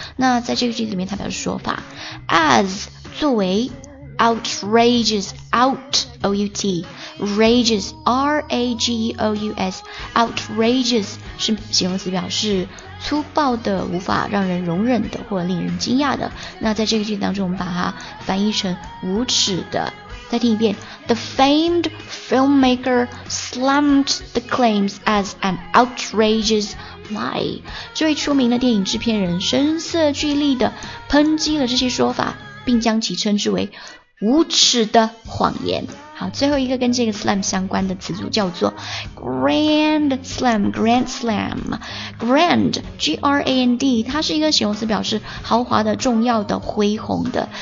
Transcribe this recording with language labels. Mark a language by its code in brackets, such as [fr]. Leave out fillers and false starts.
[zh] 那在这个句子里面它表示说法 as 作为outrageous, out, O-U-T, rageous, R-A-G-E-O-U-S, outrageous 是形容词，表示粗暴的、无法让人容忍的或令人惊讶的。那在这个句子当中我们把它翻译成无耻的。再听一遍， [en] The famed filmmaker slammed the claims as an outrageous lie. [zh] 这位出名的电影制片人声色俱厉地抨击了这些说法，并将其称之为无耻的谎言。好，最后一个跟这个 slam 相关的词组叫做 grand slam, grand slam, grand, G-R-A-N-D, 它是一个形容词，表示豪华的、重要的、恢宏的。